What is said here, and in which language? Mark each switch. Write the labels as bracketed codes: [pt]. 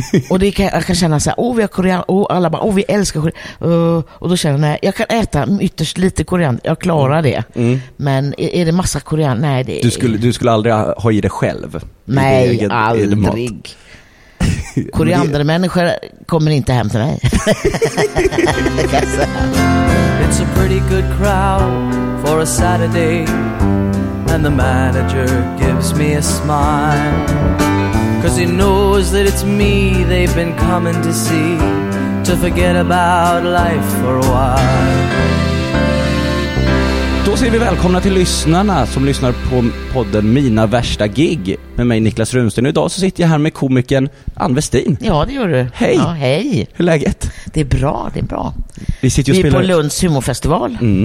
[sv] Och det kan, jag kan känna så här, oh, vi har koriander, och alla bara, oh, vi älskar koriander. Och då känner jag, nej, jag kan äta ytterst lite koriander, jag klarar det. Men är det massa koriander? Nej, det är... Du skulle aldrig ha i det själv. Nej, aldrig. Koriandermänniskor kommer inte hem till mig. [en] It's a pretty good crowd for a Saturday, and the manager gives me a smile, 'cause he knows that it's me they've been coming to see, to forget about life for a while. [sv] Då säger vi välkomna till lyssnarna som lyssnar på podden Mina Värsta Gig med mig, Niklas Runsten. Idag så sitter jag här med komikern Ann Westin. Ja, det gör du. Hej! Ja, hej! Hur är läget? Det är bra. Vi sitter och spelar på Lunds humorfestival.